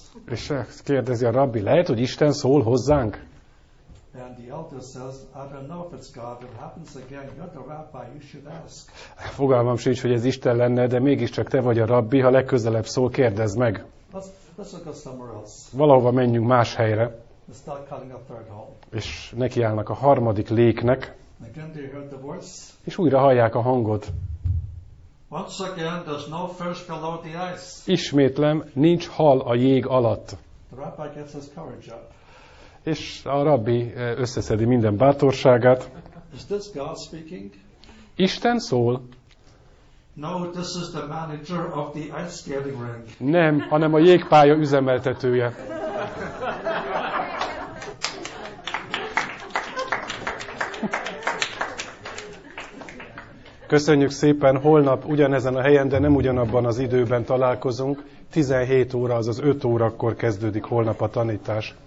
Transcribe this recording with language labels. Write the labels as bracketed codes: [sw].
[hu] És kérdezi a rabbi, lehet, hogy Isten szól hozzánk? [en] And the elder says, I don't know if it's God. It happens again. You're the rabbi. You should ask. [hu] Fogalmam sincs, hogy ez Isten lenne, de mégiscsak te vagy a rabbi. Ha legközelebb szól, kérdezd meg. [en] Let's go somewhere else. [hu] Valahova menjünk más helyre. [en] Let's start cutting a third hole. [hu] És nekiállnak a harmadik léknek. [en] Again, they heard the voice. [hu] És újra hallják a hangot. [en] Once again, there's no fish below the ice. [hu] Ismétlem, nincs hal a jég alatt. [en] The rabbi gets his courage up. [hu] És a rabbi összeszedi minden bátorságát. [en] Is this God speaking? [hu] Isten szól. [en] No, this is the manager of the ice skating rink. [hu] Nem, hanem a jégpálya üzemeltetője. Köszönjük szépen, holnap ugyanezen a helyen, de nem ugyanabban az időben találkozunk. 17 óra, azaz 5 órakor kezdődik holnap a tanítás.